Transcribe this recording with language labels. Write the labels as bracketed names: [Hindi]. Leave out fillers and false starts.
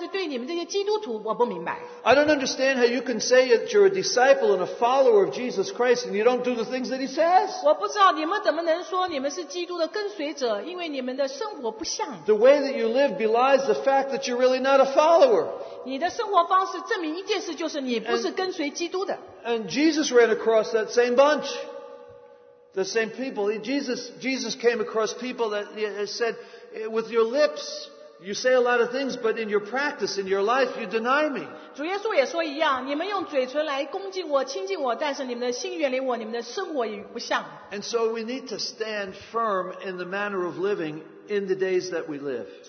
[Chinese] 他说：“我喜欢你们的基督，但是对你们这些基督徒，我不明白。” [English] I don't understand how you can say that you're a disciple and a follower of Jesus Christ and you don't do the things that He says. [Chinese] 我不知道你们怎么能说你们是基督的跟随者，因为你们的生活不像。 [English] The way that you live belies the fact that you're really not a follower. [Chinese] 你的生活方式证明一件事，就是你不是跟随基督的。 [English] And Jesus ran across that same bunch, the same people. Jesus came across people that said, "With your lips, you say a lot of things, but in your practice, in your life, you deny me." [Chinese] 主耶稣也说一样，你们用嘴唇来恭敬我、亲近我，但是你们的心远离我，你们的生活与不像。 [English] And so we need to stand firm in the manner of living in the days that we live.